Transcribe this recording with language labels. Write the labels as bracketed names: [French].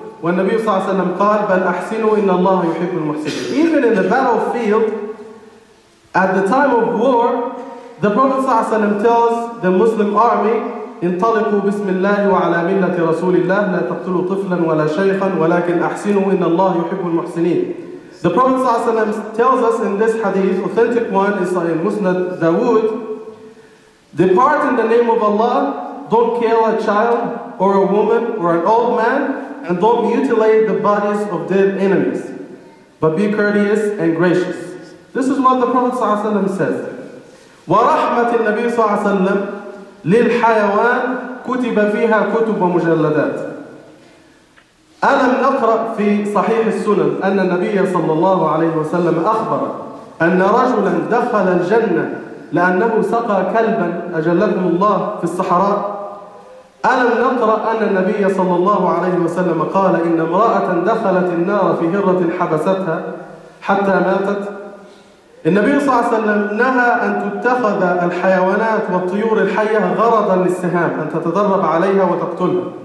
[Arabic] والنبي صلى الله عليه وسلم قال بل أحسنوا إن الله يحب المحسنين. [English] Even in the battlefield, at the time of war, the Prophet صلى الله عليه وسلم tells the Muslim army, [Arabic] انطلقوا بسم الله وعلى ملة رسول الله لا تقتلوا طفلا ولا شيخا ولكن أحسنوا إن الله يحب المحسنين. [English] The Prophet صلى الله عليه وسلم tells us in this hadith, authentic one, is in Musnad Dawood, depart in the name of Allah, don't kill a child or a woman or an old man, and don't mutilate the bodies of dead enemies, but be courteous and gracious. This is what the Prophet صلى الله عليه وسلم says. [Arabic] ورحمة النبي صلى الله عليه وسلم للحيوان كتب فيها كتب ومجلدات. ألم نقرأ في صحيح السنن أن النبي صلى الله عليه وسلم أخبر أن رجلا دخل الجنة لأنه سقى كلبا أجلده الله في الصحراء؟ ألم نقرأ أن النبي صلى الله عليه وسلم قال إن امرأة دخلت النار في هرة حبستها حتى ماتت؟ النبي صلى الله عليه وسلم نهى أن تتخذ الحيوانات والطيور الحية غرضا للسهام أن تتدرب عليها وتقتلها.